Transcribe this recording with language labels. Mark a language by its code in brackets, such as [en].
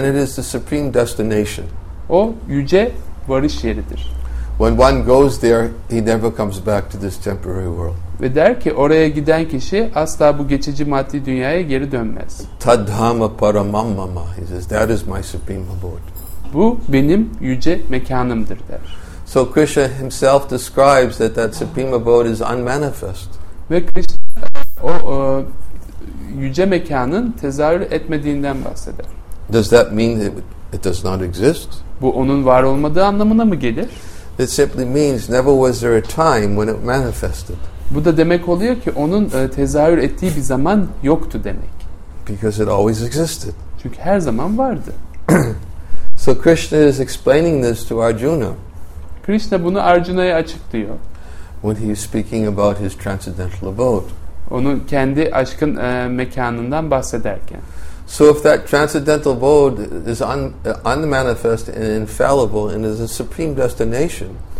[en] And it is the supreme destination. [tr] O yüce varış yeridir. [en] When one goes there, he never comes back to this temporary world. [tr] Ve der ki oraya giden kişi asla bu geçici maddi dünyaya geri dönmez. [sa] Tadhama paramamma, [en] he says, that is my supreme abode. [tr] Bu benim yüce mekanımdır der. [en] So Krishna himself describes that that supreme abode is unmanifest. [tr] Ve Krishna o yüce mekanın tezahür etmediğinden bahseder. [en] Does that mean it does not exist? [tr] Bu onun var olmadığı anlamına mı gelir? [en] It simply means never was there a time when it manifested. [tr] Bu da demek oluyor ki onun tezahür ettiği bir zaman yoktu demek. [en] Because it always existed. [tr] Çünkü her zaman vardı. [en] So Krishna is explaining this to Arjuna. [tr] Krishna bunu Arjuna'ya açıklıyor. [en] When he is speaking about his transcendental abode. [tr] Onun kendi aşkın mekanından bahsederken. [en] So if that transcendental abode is unmanifest and infallible and is a supreme destination.